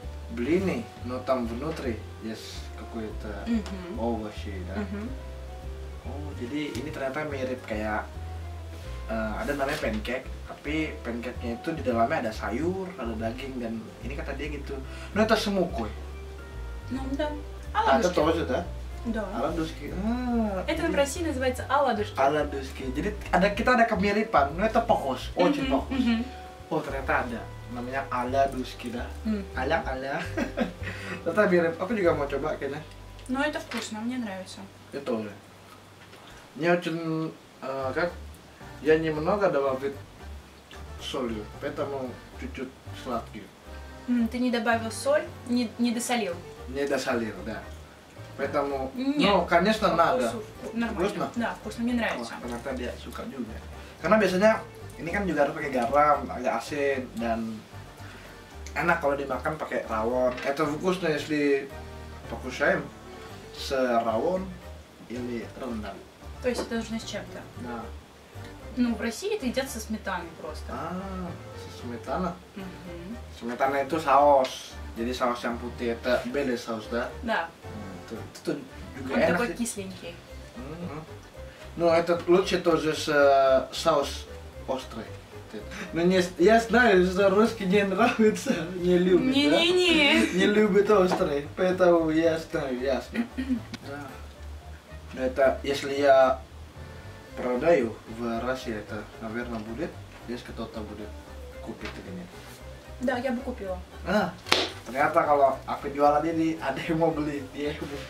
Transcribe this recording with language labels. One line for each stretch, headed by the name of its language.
Russian: Блины, но там внутри есть какой-то овощи, да?
Indonesian: Jadi, ini ternyata mirip kayak... ada namanya pancake, tapi pancake-nya itu di dalamnya ada sayur, ada daging, dan ini kata dia gitu.
Russian: Ну это
Indonesian: semua kue.
Russian: Ну да. Оладушки. Это тоже, да? Да. Оладушки. Это в России называется оладушки. Оладушки.
Indonesian: Jadi ada, kita ada kemiripan,
Russian: ну это похож, очень похож.
Indonesian: Oh, ternyata ada. Namanya оладушки, да? Аля-аля. Ternyata mirip. Aku juga mau coba, kayaknya.
Russian: Ну это вкусно, мне нравится. Это тоже. Мне очень, как? Я немного добавил соли, поэтому чуть-чуть сладкий. Ты не добавил соль, не досолил. Не досолил, да. Поэтому, нет, ну, конечно, по надо. Вкусно? Да, вкусно, мне нравится. Потому что я сука дюня.
Indonesian: Karena biasanya ini kan juga harus pakai garam, agak asin dan enak kalau dimakan pakai rawon.
Russian: Это вкусно, если покушаем с рауон или рендан. То есть это нужно с чем-то? Да. Ну, в России это едят со сметаной просто. А, со сметаной? Угу. Сметана это соус.
Indonesian: Jadi saus yang putih
Russian: это белый соус, да? Да. Это
Indonesian: juga enak.
Russian: Он такой кисленький. Ну, это лучше тоже с соус острый. Но не, я знаю, что русский не нравится, не любит. Не-не-не. Да? Не любит острый, поэтому я знаю, ясно. Да. Это, если я продаю в России, это, наверное, будет, если кто-то будет купить или нет. Да, я бы купила.
Indonesian: А, ternyata kalau aku jualan ini, ada yang mau beli, dia ibu.